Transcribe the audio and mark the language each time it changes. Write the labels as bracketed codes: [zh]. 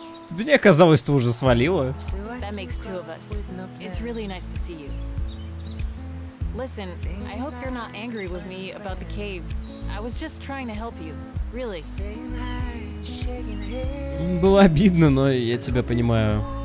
[ru] Мне казалось, ты уже свалила. [en] That makes two of us. It's really nice to see you. Listen, I hope you're not angry with me about the cave. I was just trying to help you. Really. [ru] Было обидно, но я тебя понимаю.